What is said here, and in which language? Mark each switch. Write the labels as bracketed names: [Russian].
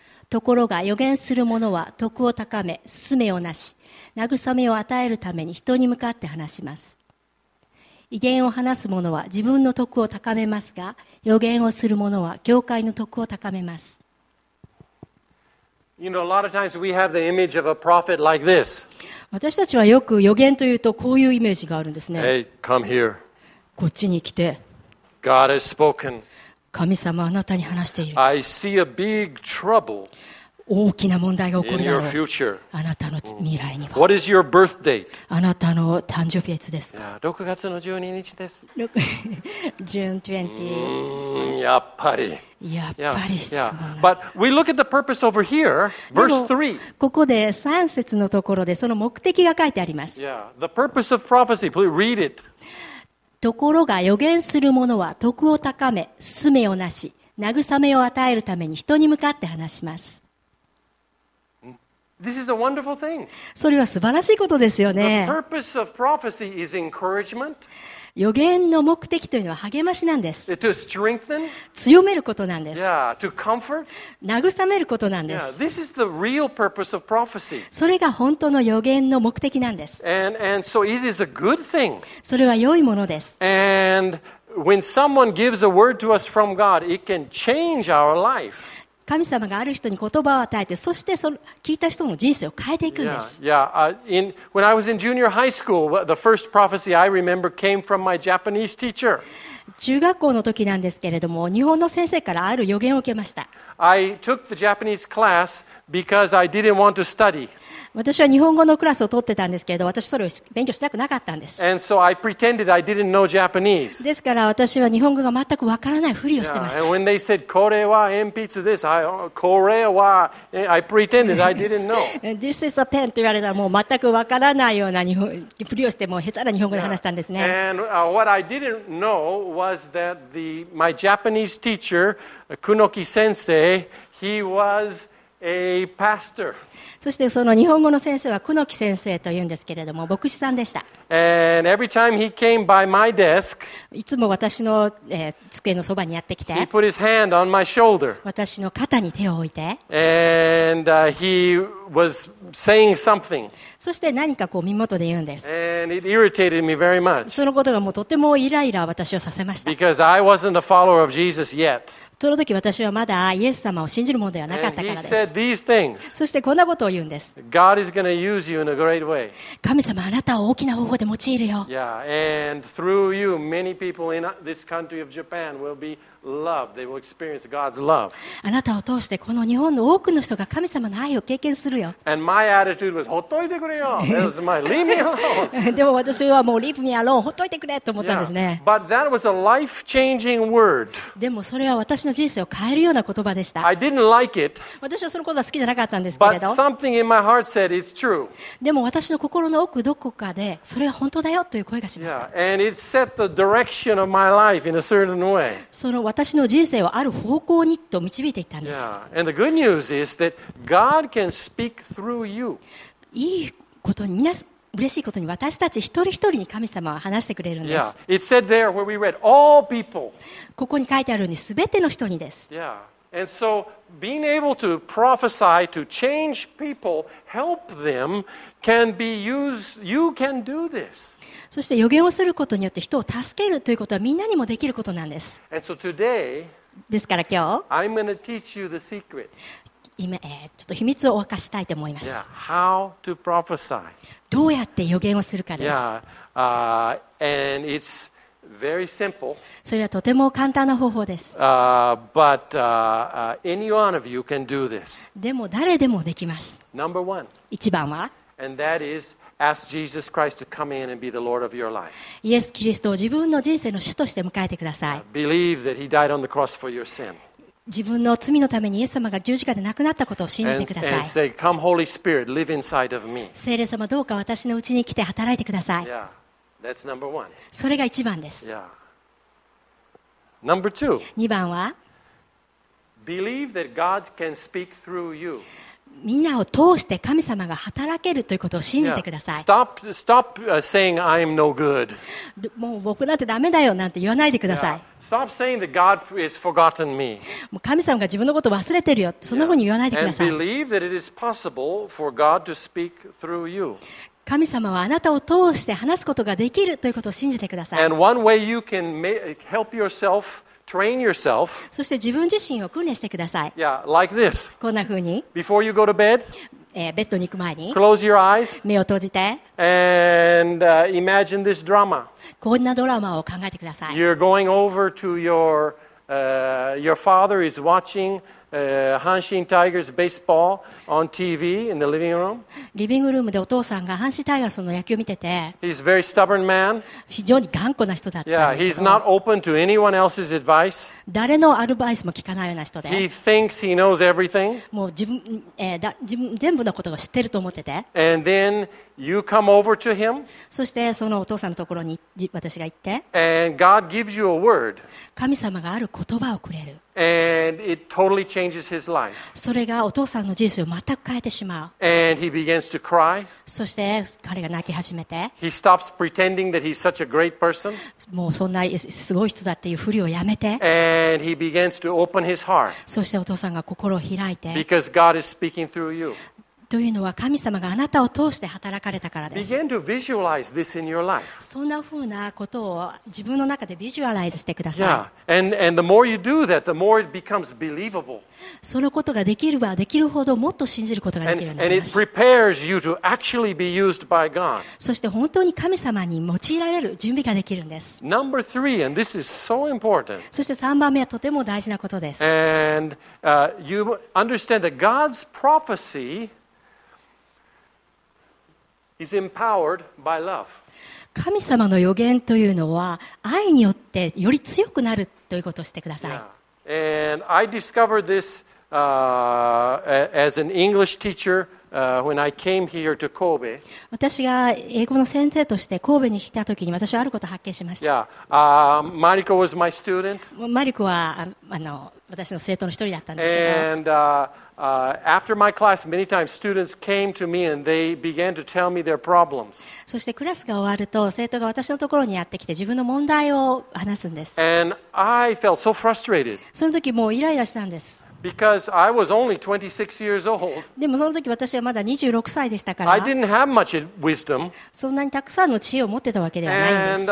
[Japanese] ところが預言する者は徳を高め、勧めをなし、慰めを与えるために人に向かって話します。異言を話す者は自分の徳を高めますが、預言をする者は教会の徳を高めます。 [English] You know, a lot of times we have the image of a prophet like this. [Japanese] 私たちはよく預言というとこういうイメージがあるんですね。 [English] Hey, come here. [Japanese] こっちに来て。 [English] God has spoken. [Japanese] 神様はあなたに話している。 [English] I see a big trouble. [Japanese] 大きな問題が起こるだろう。 [English] In your future. [Japanese] あなたの未来には。 [English] What is your birth date? [Japanese] あなたの誕生日いつですか。 6月の12日です。 [English] June 20. [Japanese] やっぱり。やっぱりそう。 [English] Yeah, yeah. But we look at the purpose over here, verse 3. [Japanese] ここで3節のところでその目的が書いてあります。 [English] Yeah, the purpose of prophecy. Please read it. [Japanese] ところが預言する者は徳を高め、勧めをなし、慰めを与えるために人に向かって話します。 [English] This is a wonderful thing. [Japanese] それは素晴らしいことですよね。 [English] The purpose of prophecy is encouragement. [Japanese] 予言の目的というのは励ましなんです。 [English] To strengthen, [Japanese] 強めることなんです。 [English] Yeah, to comfort, [Japanese] 慰めることなんです。 [English] Yeah, this is the real purpose of prophecy. [Japanese] それが本当の予言の目的なんです。 [English] And so it is a good thing. [Japanese] それは良いものです。 [English] And when someone gives a word to us from God, it can change our life. [Japanese] 神様がある人に言葉を与えて、そしてその聞いた人の人生を変えていくんです。 [English] When I was in junior high school, the first prophecy I remember came from my Japanese teacher. [Japanese] 中学校の時なんですけれども、日本の先生からある予言を受けました。 [English] I took the Japanese class because I didn't want to study. [Japanese] 私は日本語のクラスを取ってたんですけれど、私それを勉強したくなかったんです。 [English] And so I pretended I didn't know Japanese. [Japanese] ですから私は日本語が全くわからないふりをしてました。 [English] And when they said [Japanese] これは鉛筆です、これは [English] I pretended I didn't know. This is a pen [Japanese] と言われたらもう全くわからないようなふりをしてもう下手な日本語で話したんですね。 [English] And what I didn't know was that my Japanese teacher, Kunoki Sensei, he was a pastor. [Japanese] そしてその日本語の先生は久野木先生というんですけれども、牧師さんでした。 [English] And every time he came by my desk, [Japanese] いつも私の、机のそばにやってきて、 [English] he put his hand on my shoulder. [Japanese] 私の肩に手を置いて、 [English] And, he was saying something. [Japanese] そして何かこう耳元で言うんです。 [English] And it irritated me very much. [Japanese] そのことがもうとてもイライラ私をさせました。 [English] Because I wasn't a follower of Jesus yet. [Japanese] その時私はまだイエス様を信じるものではなかったからです。 [English] And he said these things. [Japanese] そしてこんなことを言うんです。 [English] God is going to use you in a great way. [Japanese] 神様あなたを大きな方法で用いるよ。 [English] Yeah, and through you, many people in this country of Japan will be loved. They will experience God's love. [Japanese] あなたを通してこの日本の多くの人が神様の愛を経験するよ。 [English] And my attitude was, [Japanese] ほっといてくれよ。 [English] That was my, leave me alone. [Japanese] でも私はもう [English] leave me alone, [Japanese] ほっといてくれと思ったんですね。 [English] Yeah, but that was a life-changing word. [Japanese] でもそれは私の人生を変えるような言葉でした。 [English] I didn't like it. [Japanese] 私はそのことは好きじゃなかったんですけれど。 [English] But something in my heart said it's true. [Japanese] でも私の心の奥どこかでそれは本当だよという声がしました。 [English] Yeah, and it set the direction of my life in a certain way. [Japanese] その私の人生をある方向にと導いていったんです。 [English] Yeah, and the good news is that God can speak through you. [Japanese] いいことに嬉しいことに私たち一人一人に神様は話してくれるんです。 [English] Yeah, it said there where we read, all people. [Japanese] ここに書いてあるように全ての人にです。 [English] Yeah, and so being able to prophesy to change people, help them, can be used, you can do this. [Japanese] そして予言をすることによって人を助けるということはみんなにもできることなんです。 [English] So、today, [Japanese] ですから今日、 [English] I'm gonna teach you the secret. [Japanese] 今、ちょっと秘密をお明かしたいと思います。 [English] Yeah. How to prophesy. [Japanese] どうやって予言をするかです。 [English] Yeah. And it's very simple. [Japanese] それはとても簡単な方法です。 [English] Any one of you can do this. [Japanese] でも誰でもできます。 [English] Number one. [Japanese] 一番は。 [English] And that isAsk Jesus Christ to come in and be the Lord of your life. [Japanese] イエス・キリストを自分の人生の主として迎えてください。 [English] Believe that He died on the cross for your sin. [Japanese] 自分の罪のためにイエス様が十字架で亡くなったことを信じてください。 [English] And say, Come Holy Spirit, live inside of me. [Japanese] 聖霊様どうか私のうちに来て働いてください。 [English] Yeah, that's number one. [Japanese] それが一番です。 [English] Yeah. Number two. [Japanese] 二番は。 [English] Believe that God can speak through you. [Japanese] みんなを通して神様が働けるということを信じてください。 [English] Stop saying I'm no good. [Japanese] もう僕なんてダメだよなんて言わないでください。 [English] Stop saying that God has forgotten me. [Japanese] もう神様が自分のことを忘れてるよってそんなふうに言わないでください。 [English] And believe that it is possible for God to speak through you. [Japanese] 神様はあなたを通して話すことができるということを信じてください。 [English] And one way you can help yourself, train yourself. [Japanese] そして自分自身を訓練してください。 [English] Yeah, like this. [Japanese] こんなふうに。 [English] Before you go to bed. [Japanese] ベッドに行く前に。 [English] Close your eyes. [Japanese] 目を閉じて。 [English] And imagine this drama. [Japanese] こんなドラマを考えてください。 [English] You're going over to your father is watching Hanshin Tigers baseball on TV in the living room. [Japanese] リビングルームでお父さんが阪神タイガースの野球を見てて。 [English] He's a very stubborn man. [Japanese] 非常に頑固な人だった。 [English] Yeah, he's not open to anyone else's advice. [Japanese] 誰のアドバイスも聞かないような人で。 [English] He thinks he knows everything. [Japanese] もう自分全部のことを知ってると思ってて。 [English] And then you come over to him. [Japanese] そしてそのお父さんのところに私が行って。 [English] And God gives you a word. [Japanese] 神様がある言葉をくれる。 [English] And it totally changes his life. [Japanese] それがお父さんの人生を全く変えてしまう。 [English] And he begins to cry. [Japanese] そして彼が泣き始めて。 [English] He stops pretending that he's such a great person. [Japanese] もうそんなすごい人だっていうふりをやめて。 [English] And he begins to open his heart. [Japanese] そしてお父さんが心を開いて。 [English] Because God is speaking through you. [Japanese] というのは神様があなたを通して働かれたからです。 [English] Begin to visualize this in your life. [Japanese] そんなふうなことを自分の中でビジュアライズしてください。 [English] Yeah. And the more you do that, the more it becomes believable. [Japanese] そのことができるはできるほどもっと信じることができるようになります。 [English] And it prepares you to actually be used by God. [Japanese] そして本当に神様に用いられる準備ができるんです。 [English] Number three, and this is so important. [Japanese] そして3番目はとても大事なことです。 [English] And you understand that God's prophecy. Is empowered by love. [Japanese] 神様の予言というのは愛によってより強くなるということをしてください。 [English] Yeah. And I discovered this as an English teacher when I came here to Kobe. [Japanese] 私が英語の先生として神戸に来た時に私はあることを発見しました。 [English] Yeah. Mariko was my student. [Japanese] Mariko は私の生徒の一人だったんですけど。 [English] And, after my class, many times students came to me and they began to tell me their problems. [Japanese] そしてクラスが終わると生徒が私のところにやってきて自分の問題を話すんです。 [English] And I felt so frustrated. [Japanese] その時もうイライラしたんです。 [English] Because I was only 26 years old. [Japanese] でもその時私はまだ26歳でしたから。 [English] I didn't have much wisdom. [Japanese] そんなにたくさんの知恵を持ってたわけではないんです。